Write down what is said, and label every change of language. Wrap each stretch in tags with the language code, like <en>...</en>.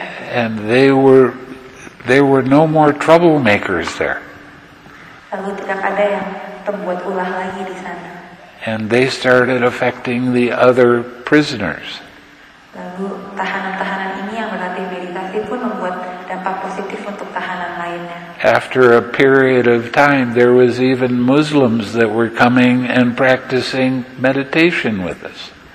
<en>and there were no more troublemakers there.</en> <id>Lalu tidak ada yang membuat ulah lagi di sana.</id> <en>And they started affecting the other prisoners.</en> <id>Lalu tahanan-tahanan ini yang berhabilitasi pun membuat dampak positif untuk tahanan lainnya.</id> <en>After a period of time, there was even Muslims that were coming and practicing meditation with us.</en>